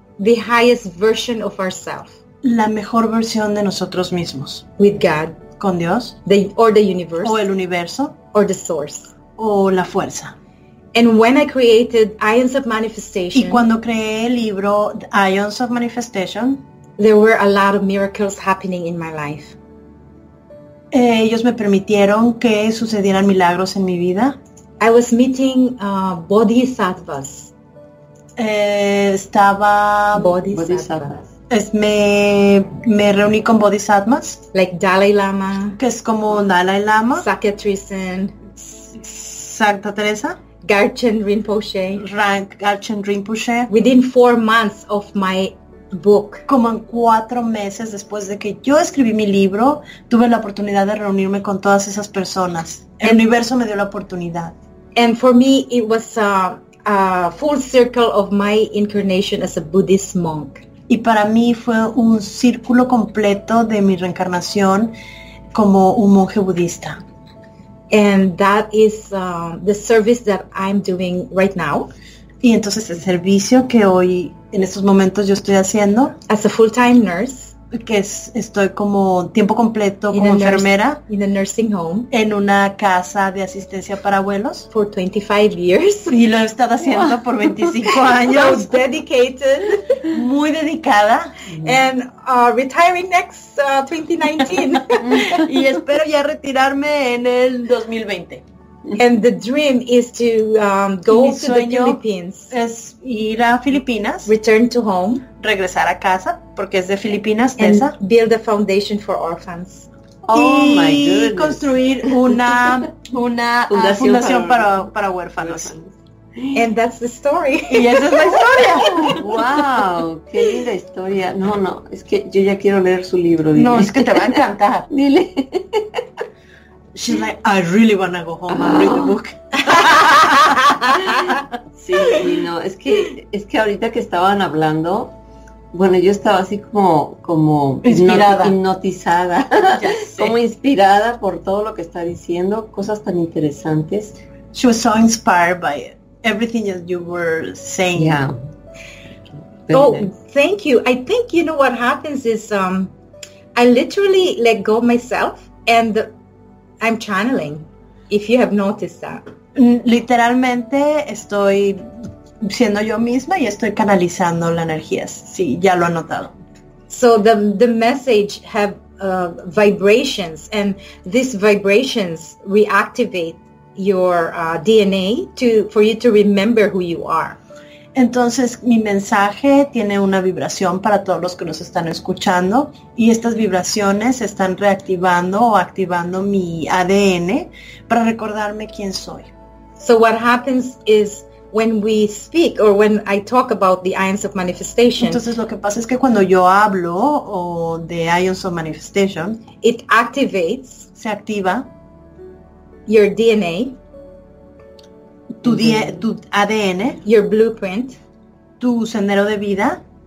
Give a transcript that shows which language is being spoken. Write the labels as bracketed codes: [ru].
[en] the highest version of ourselves, [es] la mejor versión de nosotros mismos, [en] with God, [es] con Dios, [en] or the universe, [es] o el universo, [en] or the source, [es] o la fuerza. [en] And when I created Ions of Manifestation, [es] y cuando creé el libro Ions of Manifestation, [en] there were a lot of miracles happening in my life. [es] Ellos me permitieron que sucedieran milagros en mi vida. [en] I was meeting bodhisattvas. [es] Estaba bodhisattvas. Me reuní con bodhisattvas, [en] like Dalai Lama, [es] que es como Dalai Lama, Santa Teresa. Garchen Rinpoche. [en] Within 4 months of my book. [es] Como en 4 meses después de que yo escribí mi libro, tuve la oportunidad de reunirme con todas esas personas. El universo me dio la oportunidad. [en] And for me, it was a full circle of my incarnation as a Buddhist monk. [es] Y para mí fue un círculo completo de mi reencarnación como un monje budista. [en] And that is the service that I'm doing right now. [es] Y entonces el servicio que hoy en estos momentos yo estoy haciendo [en] as a full-time nurse, [es] que es, estoy como tiempo completo como enfermera [en] in a nursing home, [es] en una casa de asistencia para abuelos [en] for 25 years. [es] Y lo he estado haciendo por 25 años. [en] Dedicated, [es] muy dedicada. [en] And retiring next 2019. [es] Y espero ya retirarme en el 2020. [en] And the dream is to go to the Philippines. [es] Es ir a Filipinas. [en] Return to home. [es] Regresar a casa, porque es de Filipinas, [en] and Tessa. Build a foundation for orphans. [es] Oh, y [en] my goodness. [es] Construir una fundación para huérfanos. [en] And that's the story. [es] Y esa es la historia. Wow, qué linda historia. No, es que yo ya quiero leer su libro. Dile. No, es que te va a encantar. Dile. [en] She's like, I really want to go home and read the book. [es] Sí, no, es que ahorita que estaban hablando, bueno, yo estaba así como inspirada. Hipnotizada, como inspirada por todo lo que está diciendo, cosas tan interesantes. [en] She was so inspired by everything that you were saying. Yeah. Oh, thank you. I think, you know, what happens is I literally let go myself and I'm channeling, if you have noticed that. [es] Literalmente estoy siendo yo misma y estoy canalizando la energía. Sí, ya lo he notado. [en] So the message have vibrations, and these vibrations reactivate your DNA for you to remember who you are. [es] Entonces, mi mensaje tiene una vibración para todos los que nos están escuchando, y estas vibraciones están reactivando o activando mi ADN para recordarme quién soy. [en] So what happens is when we speak or when I talk about the Ions of Manifestation. [es] Entonces, lo que pasa es que cuando yo hablo de Ions of Manifestation, [en] it activates, [es] se activa [en] your DNA. [es] Tu ADN, [en] your blueprint, [es] tu sendero de vida,